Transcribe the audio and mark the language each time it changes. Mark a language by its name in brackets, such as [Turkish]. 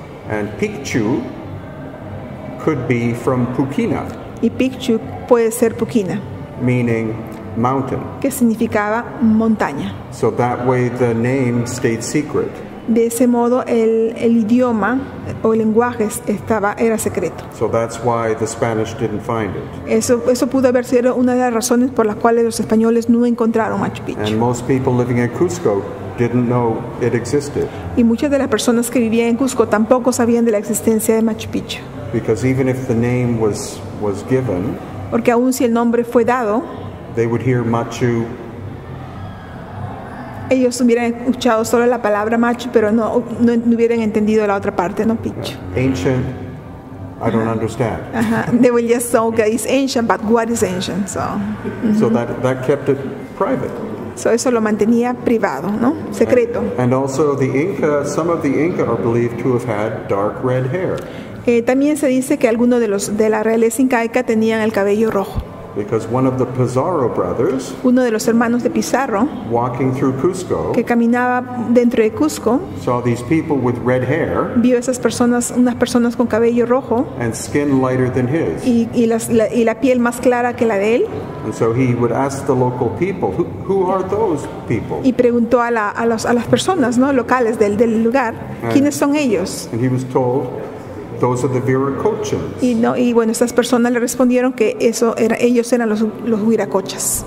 [English] and Picchu could be from Pukina. [Spanish] Y Picchu puede ser Pukina, [English] meaning mountain, [Spanish] que significaba montaña. [English] So that way the name stayed secret. [Spanish] De ese modo el idioma o el lenguaje era secreto. [English] So that's why the Spanish didn't find it. [Spanish] Eso pudo haber sido una de las razones por las cuales los españoles no encontraron Machu Picchu. [English] And most people living in Cusco didn't know it existed. [Spanish] Y muchas de las personas que vivían en Cusco tampoco sabían de la existencia de Machu Picchu. [English] Because even if the name was given, [Spanish] porque aun si el nombre fue dado, [English] they would hear Machu. [Spanish] Ellos hubieran escuchado solo la palabra Machu, pero no hubieran entendido la otra parte, no Picchu. [English] Ancient, I don't understand. They will just say, okay, it's ancient, but what is ancient? So, so that kept it private. [Spanish] So eso lo mantenía privado, ¿no? Secreto. [English] And also the Inca, some of the Inca are believed to have had dark red hair. [Spanish] También se dice que algunos de la realeza incaica tenían el cabello rojo. [English] Because one of the Pizarro brothers, [Spanish] uno de los hermanos de Pizarro, [English] walking through Cusco, [Spanish] que caminaba dentro de Cusco, [English] saw these people with red hair, [Spanish] vio esas personas, unas personas con cabello rojo, [English] and skin lighter than his, [Spanish] y la piel más clara que la de él. [English] And so he would ask the local people, who are those people? [Spanish] Y preguntó a las personas, ¿no? Locales del lugar, ¿quiénes son ellos? [English] And he was told, those are the Viracochas. [Spanish] Y bueno, estas personas le respondieron que ellos eran los Viracochas.